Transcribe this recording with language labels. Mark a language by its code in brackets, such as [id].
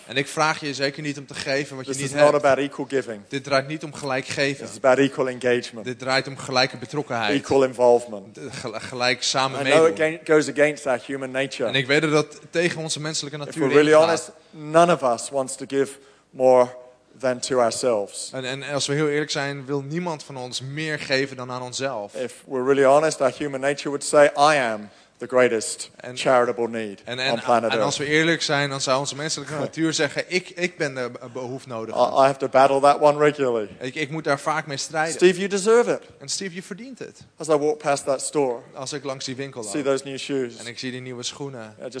[nl] En ik vraag je zeker niet om te geven wat [en] this [nl] je niet [en] is [nl] hebt. [en] Not about equal giving. [nl] Dit draait niet om gelijk geven. [en] It's about equal engagement. [nl] Dit draait om gelijke betrokkenheid. [en] Equal involvement. [nl] Gelijk samen meedoen. [en] I know it goes against that human. [nl] En ik weet dat tegen onze menselijke natuur. [en] If we're really honest, none of us wants to give more than to ourselves. [nl] En als we heel eerlijk zijn, wil niemand van ons meer geven dan aan onszelf. [en] If we're really honest, our human nature would say, I am the greatest charitable need on planet Earth. [nl] En als we eerlijk zijn, dan zou onze menselijke natuur zeggen, ik ben de behoeftnodige. [en] I have to battle that one regularly. [nl] Ik moet daar vaak mee strijden. [en] Steve, you deserve it. [nl] En Steve, je verdient het. [en] As I walk past that store, [nl] als ik langs die winkel loop, [en] see those new shoes, [nl] en ik zie die nieuwe schoenen.